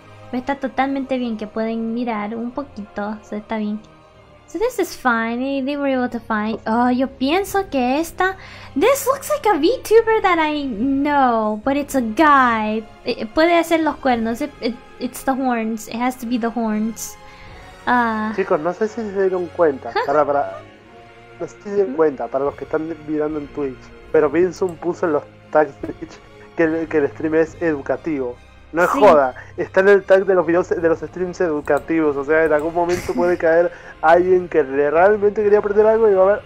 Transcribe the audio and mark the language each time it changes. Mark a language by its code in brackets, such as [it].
[es] Pero está totalmente bien que pueden mirar un poquito. O sea, está bien. [en] So this is fine, they were able to find. [es] Oh, yo pienso que esta... [en] This looks like a VTuber that I know, but it's a guy. [es] Puede hacer los cuernos, [en] it's the horns, it has to be the horns. [es] Chicos, no sé si se dieron cuenta, no sé si se dieron cuenta, para los que están mirando en Twitch. Pero Vincent puso en los tags de Twitch que el stream es educativo. No es sí. Joda, está en el tag de los videos de los streams educativos, o sea, en algún momento puede caer alguien que realmente quería aprender algo y va a ver.